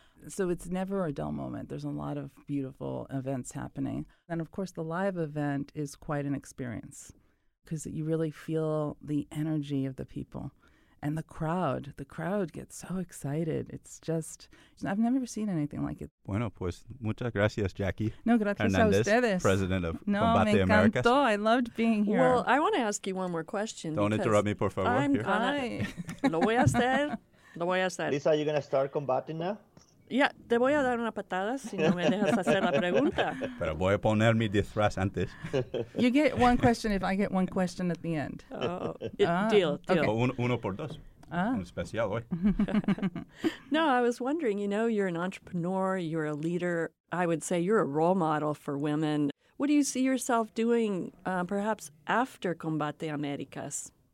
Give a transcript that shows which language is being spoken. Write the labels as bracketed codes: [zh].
[en] So it's never a dull moment. There's a lot of beautiful events happening. And, of course, the live event is quite an experience, because you really feel the energy of the people and the crowd. The crowd gets so excited. It's just, I've never seen anything like it. [es] Bueno, pues, muchas gracias, Jackie. No, gracias Hernandez, a ustedes. [en] President of [es] no, [en] Combate [es] me encantó. [en] Americas. I loved being here. Well, I want to ask you one more question. Don't interrupt me, [es] por favor. [en] I'm going to. [es] Lo voy a hacer. Lo voy a hacer. [en] Lisa, are you going to start combating now? [es] Yeah, te voy a dar una patada si no me dejas hacer la pregunta. Pero voy a poner mi disfraz antes. [en] You get one question if I get one question at the end. Deal. [es] Okay. Uno por dos. Ah. Un especial hoy. [en] No, I was wondering, you know, you're an entrepreneur, you're a leader. I would say you're a role model for women. What do you see yourself doing perhaps after Combate Americas?